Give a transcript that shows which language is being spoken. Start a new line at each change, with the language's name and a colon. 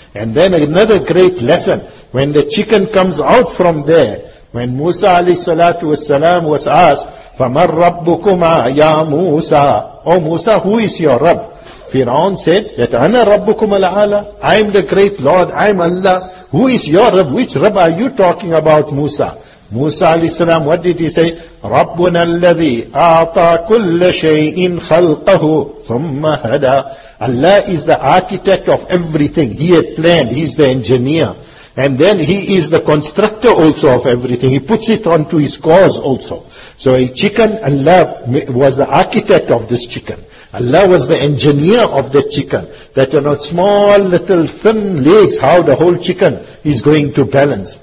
English: And then another great lesson, when the chicken comes out from there, when Musa alayhi salatu wasalam was asked,
Arabic: فَمَنْ رَبُّكُمَا يَا مُوسَى
English: O Musa, who is your Rabb? Fir'aun said, that
Arabic: أَنَا رَبُّكُمَ الْعَالَى
English: I am the great Lord, I am Allah. Who is your Rabb? Which Rabb are you talking about, Musa? Musa alayhi salam, what did he say?
Arabic: رَبُّنَا الَّذِي أَعْطَى كُلَّ شَيْءٍ خَلْقَهُ ثُمَّ هَدَى
English: Allah is the architect of everything. He had planned, He's the engineer. And then He is the constructor also of everything. He puts it onto His cause also. So a chicken, Allah was the architect of this chicken. Allah was the engineer of the chicken. That, you know, small little thin legs, how the whole chicken is going to balance.